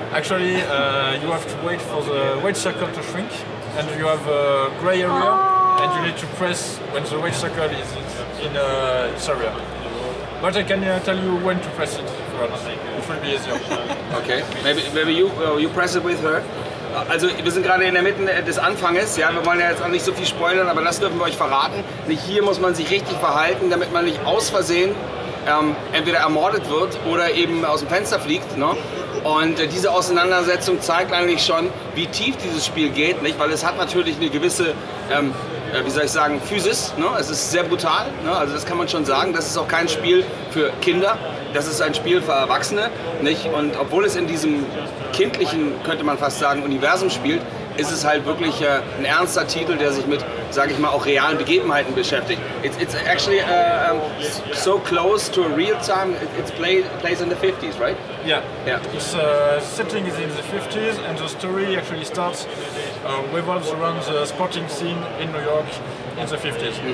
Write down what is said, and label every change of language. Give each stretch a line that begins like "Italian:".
English: Actually, you have to wait for the white circle to shrink, and you have a gray area, and you need to press when the white circle is in its area. But I can tell you when to press it. It will be easier. Okay. Maybe you press it with her.
German: Also, wir sind gerade in der Mitte des Anfanges, ja, wir wollen ja jetzt auch nicht so viel spoilern, aber das dürfen wir euch verraten. Nicht hier muss man sich richtig verhalten, damit man nicht aus Versehen entweder ermordet wird oder eben aus dem Fenster fliegt, ne? Und diese Auseinandersetzung zeigt eigentlich schon, wie tief dieses Spiel geht, nicht? Weil es hat natürlich eine gewisse, wie soll ich sagen, Physis, ne? Es ist sehr brutal, ne? Also das kann man schon sagen, das ist auch kein Spiel für Kinder. Das ist ein Spiel für Erwachsene, nicht? Und obwohl es in diesem kindlichen, könnte man fast sagen, Universum spielt, ist es halt wirklich ein ernster Titel, der sich mit, sage ich mal, auch realen Begebenheiten beschäftigt.
English: It's actually so close to a real time. It's plays in the 50s, right? Yeah. Yeah. It's setting is in the 50s, and the story actually starts revolves around the sporting scene in New York in the 50s.